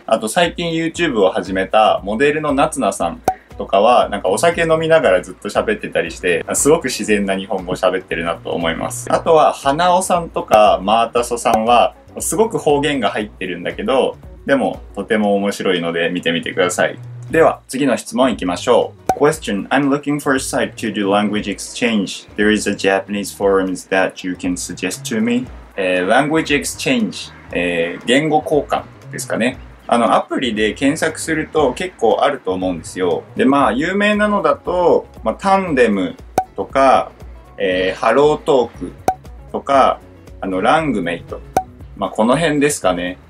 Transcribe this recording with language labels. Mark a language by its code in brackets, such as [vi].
[ja] あと最近 YouTube を始めたモデルの夏菜さんとかは、なんかお酒飲みながらずっと喋ってたりして、すごく自然な日本語喋ってるなと思います。あとは花尾さんとかマータソさんは、すごく方言が入ってるんだけど、でもとても面白いので見てみてください。では次の質問いきましょう。 [en] Question: I'm looking for a site to do language exchange. There is a Japanese forums that you can suggest to me. Language exchange、 [ja] 言語交換ですかね。アプリで検索すると結構あると思うんですよ。で、まあ有名なのだと、まあ、タンデムとか、ハロートークとか、ラングメイト、まあこの辺ですかね。